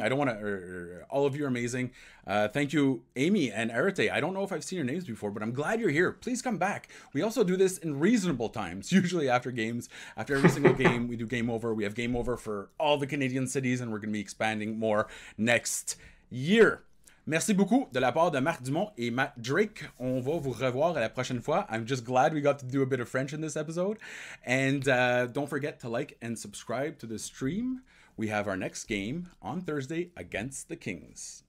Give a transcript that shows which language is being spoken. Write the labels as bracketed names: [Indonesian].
[English] All of you are amazing. Thank you, Amy and Arete. I don't know if I've seen your names before, but I'm glad you're here. Please come back. We also do this in reasonable times, usually after games. After every single game, we do game over. We have game over for all the Canadian cities, and we're going to be expanding more next year. [French] Merci beaucoup de la part de Marc Dumont et Matt Drake. On va vous revoir à la prochaine fois. [English] I'm just glad we got to do a bit of French in this episode. And don't forget to like and subscribe to the stream. We have our next game on Thursday against the Kings.